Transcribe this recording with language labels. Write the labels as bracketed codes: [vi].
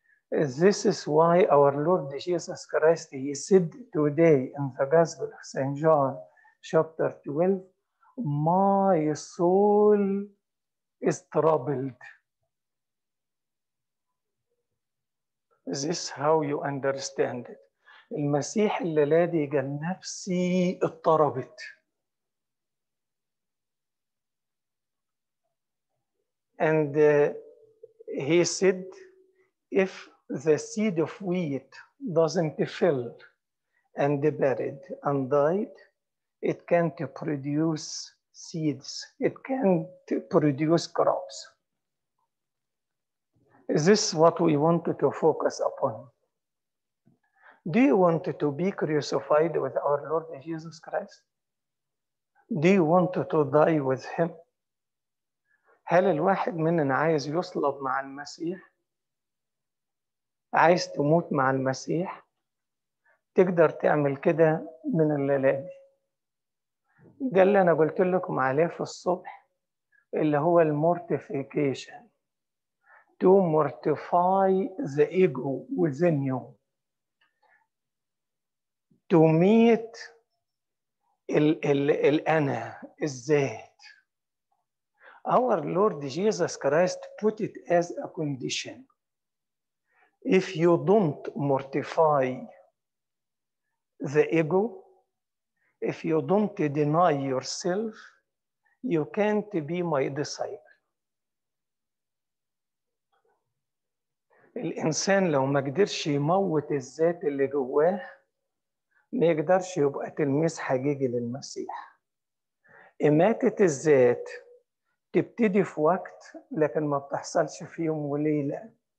[en] This is why our Lord Jesus Christ, He said today in the Gospel of St. John, chapter 12, my soul is troubled. This is how you understand it. [ar] المسيح الذي قال نفسي اضطربت. [en] And he said, if the seed of wheat doesn't fill and buried and died, it can't produce seeds. It can't produce crops. Is this what we wanted to focus upon? Do you want to be crucified with our Lord Jesus Christ? Do you want to die with Him? [ar] هل الواحد مننا عايز يصلب مع المسيح؟ عايز تموت مع المسيح؟ تقدر تعمل كده من الليله دي. ده اللي انا قلت لكم عليه في الصبح، اللي هو [en] المورتيفيكيشن، to mortify the ego within you, to ميت [ar] الانا الذات. [en] Our Lord Jesus Christ put it as a condition. If you don't mortify the ego, if you don't deny yourself, you can't be my disciple. [ar] الإنسان لو ما قدرش يموت الذات اللي جواه، ما يقدرش يبقى تلميذ حقيقي للمسيح. إماتة الذات تبتدي في وقت، لكن ما بتحصلش في يوم وليلة.